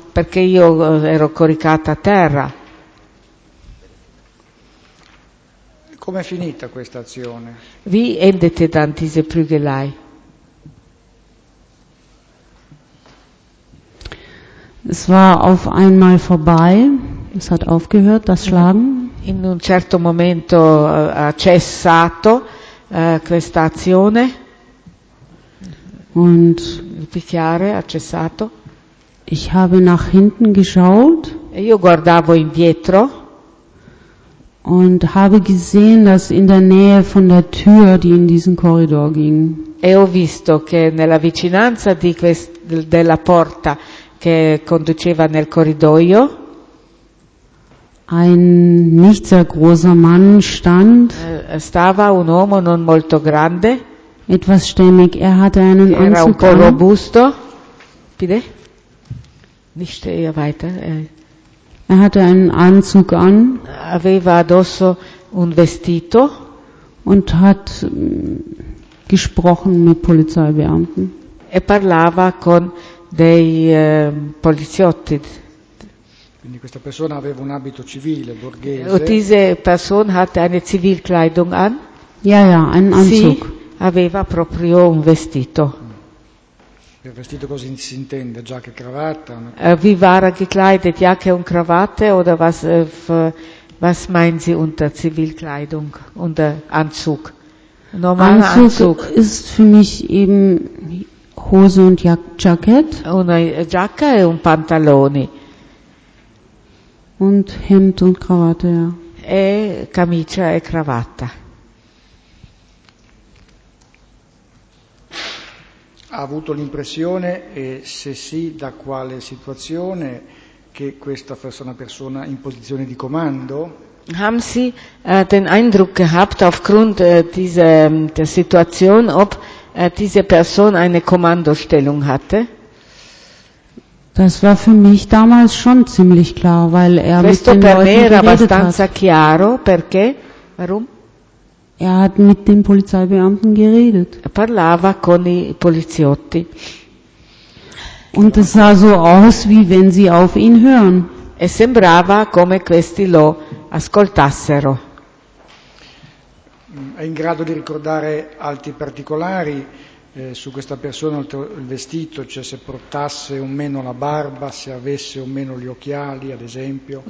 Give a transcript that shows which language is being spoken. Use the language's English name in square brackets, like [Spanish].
[Italian] Perché io ero coricata a terra. Come è finita questa azione? [German] Wie endete dann diese Prügelei? Es war auf einmal vorbei. Es hat aufgehört, das Schlagen. [Italian] In un certo momento ha cessato questa azione. [German] Und [Italian] il picchiare ha cessato. [German] Ich habe nach hinten geschaut. [Italian] Io guardavo indietro. [German] Und habe gesehen, dass in der Nähe von der Tür, die in diesen Korridor ging. [Italian] E ho visto che nella vicinanza di della porta che conduceva nel corridoio [German] ein nicht sehr großer Mann stand. [Italian] Stava un uomo non molto grande. [German] Etwas stämmig. Er hatte einen Anzug. [Italian] Era un po' robusto. [German] Bitte? Nicht eher weiter. Er hatte einen Anzug an. [Italian] Aveva addosso un vestito. [German] Und hat gesprochen mit Polizeibeamten. [Italian] E parlava con dei poliziotti. Quindi questa persona aveva un abito civile, borghese. [German] E diese Person hatte eine Zivilkleidung an. Ja, ja, einen Anzug. [Italian] Sì, aveva proprio un vestito. Il vestito così si intende, giacca e cravatta. [German] Wie war er gekleidet, Jacke und Krawatte oder was was meinen Sie unter Zivilkleidung, unter Anzug? Normaler Anzug ist für mich eben Hose und Jacket. [Italian] Una giacca e un pantaloni. [German] Und Hemd und Krawatte, ja. [Italian] E camicia e cravatta. Ha avuto l'impressione, e se sì, da quale situazione, che questa fosse una persona in posizione di comando? [German] Haben Sie den Eindruck gehabt, aufgrund dieser Situation, ob diese Person eine Kommandostellung hatte? Das war für mich damals schon ziemlich klar, weil er [Italian] questo [German] mit den Leuten geredet hat. [Italian] Questo per me era abbastanza chiaro, perché? [German] Warum? Er hat mit den Polizeibeamten geredet. [Italian] Er parlava con i poliziotti. [German] Und es sah so aus, wie wenn sie auf ihn hören. [Italian] E sembrava come questi lo ascoltassero. È in grado di ricordare altri particolari su questa persona, il vestito, cioè se portasse o meno la barba, se avesse o meno gli occhiali, ad esempio.